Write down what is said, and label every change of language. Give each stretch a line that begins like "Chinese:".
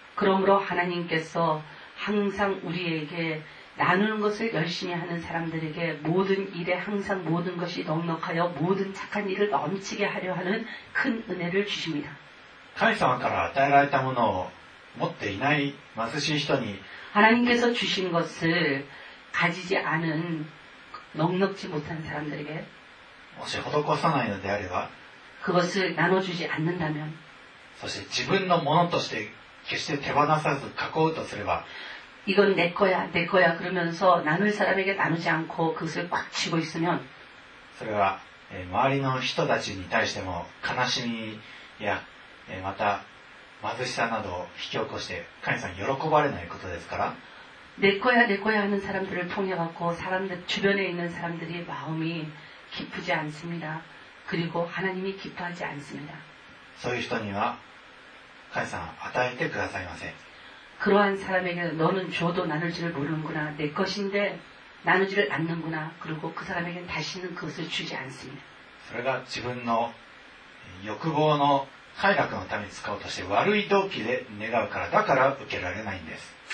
Korean: 그러므로하나님께서항상우리에게나누는것을열심히하는사람들에게모든일에항상모든것이넉넉하여모든착한일을넘치게하려하는큰은혜를주십니다。
Japanese: 神様から与えられたものを持っていない貧しい人に、
Korean: 하나님께서주신것을가지지않은넉넉지못한사람들에게，
Japanese: もし施さないのであれば，
Korean: 그것을나눠주지않는다면，
Japanese: そして自分のものとして決して手放さず囲うとすれば，
Korean: 이건내거야내거야그러면서나눌사람에게나누지않고그것을꽉쥐고있으면，
Japanese: それは周りの人たちに対しても悲しみやまた貧しさなどを引き起こして神様に喜ばれないことですから、
Korean: 내거야내거야하는사람들을통해갖고사람들주변에있는사람들이마음이기쁘지않습니다。 그리고하나님이기뻐하지않습니다。
Japanese: そういう人には神様与えてくださいません。
Korean: 그러한사람에게너는줘도나눌줄모르는구나내것인데나누지를않는구나그리고그사람에게다시는그것을주지않습니다。
Japanese: それが自分の欲望の快楽のために使おうとして悪い動機で願うから、だから受けられないんです。